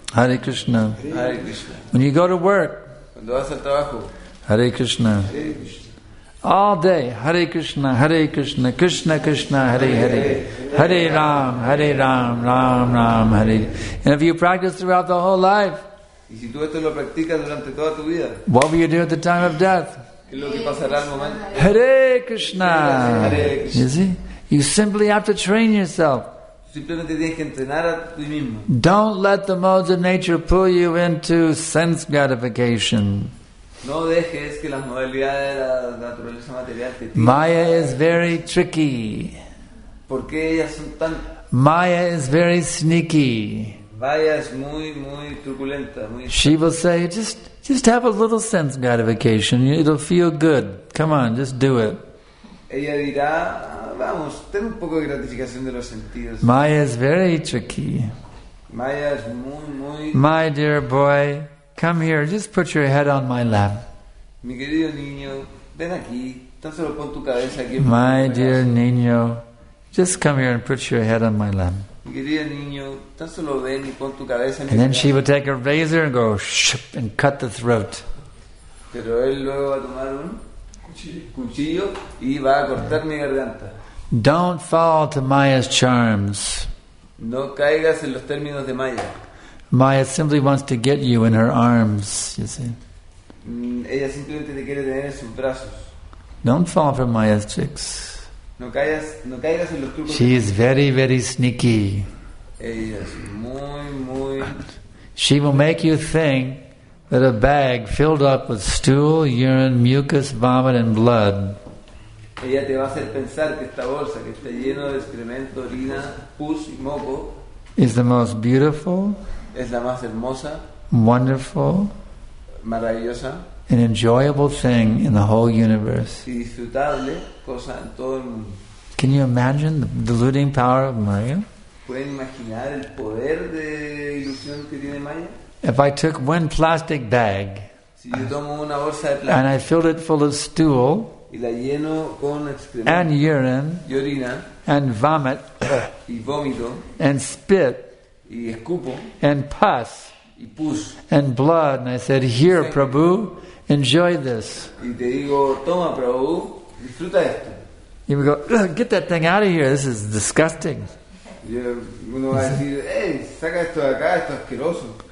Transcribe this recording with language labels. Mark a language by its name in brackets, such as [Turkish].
[Sanskrit] Hare Krishna. Hare Krishna. [English] When you go to work. [Spanish] Cuando vas al trabajo. [Sanskrit] Hare Krishna. Hare Krishna. [English] All day, [Sanskrit] Hare Krishna, Krishna Krishna, Hare Hare, Hare Ram, Ram Ram, Hare. [English] And if you practice throughout the whole life, [Spanish] ¿y si tú esto lo practicas durante toda tu vida? [English] What will you do at the time of death? [Spanish] ¿Qué es lo que pasará al momento? [Sanskrit] Hare Krishna. Hare Krishna. [English] You see? You simply have to train yourself. [Spanish] Simplemente tienes que entrenar a ti mismo. [English] Don't let the modes of nature pull you into sense gratification. [Spanish] No dejes que las modalidades de la naturaleza material te tiren. [English] Maya is very tricky. [Spanish] ¿Por qué ellas son tan? [English] Maya is very sneaky. [Spanish] Maya es muy, muy truculenta. Muy. [English] She will say, just have a little sense gratification. It'll feel good. Come on, just do it. [Spanish] Ella dirá, vamos, ten un poco de gratificación de los sentidos. [English] Maya is very tricky. [Spanish] Maya es muy, muy. [English] My dear boy. Come here, just put your head on my lap. [Spanish] Mi querido niño, ven aquí. Tan solo pon tu cabeza aquí. [English] My dear [Spanish] niño, [English] just come here and put your head on my lap. [Spanish] Mi querido niño, tan solo ven y pon tu cabeza en mi [English] lap. And then she would take a razor and go shup and cut the throat. [Spanish] Pero él luego va a tomar un cuchillo y va a cortar mi garganta. [English] Don't fall to Maya's charms. [Spanish] No caigas en los términos de Maya. [English] Maya simply wants to get you in her arms, you see. [Spanish] Ella simplemente te quiere tener en sus brazos. [English] Don't fall for Maya's tricks. [Spanish] No caigas en los trucos. [English] She is very, very sneaky. [Spanish] Ella es muy, muy. [English] She will make you think that a bag filled up with stool, urine, mucus, vomit, and blood. [Spanish] Ella te va a hacer pensar que esta bolsa que está llena de excremento, orina, pus y moco [English] is the most beautiful. [Spanish] Es la más hermosa, [English] wonderful, [Spanish] maravillosa, [English] an enjoyable thing in the whole universe. [Spanish] Y disfrutable cosa en todo el mundo. [English] Can you imagine the deluding power of Maya? [Spanish] ¿Pueden imaginar el poder de ilusión que tiene Maya? [English] If I took one plastic bag, [Spanish] si yo tomo una bolsa de plástico, [English] and I filled it full of stool, [Spanish] y la lleno con excremento, [English] and urine, [Spanish] y orina, [English] and vomit, [Spanish] y vómito, [English] and spit, [Spanish] y escupo, [English] and pus, [Spanish] y pus, [English] and blood, and I said, here, Prabhu, enjoy this. [Spanish] Y te digo, toma, Prabhu, disfruta esto. [English] You would go, get that thing out of here, this is disgusting. [Spanish] Uno va a decir, hey, saca esto de acá, esto es asqueroso.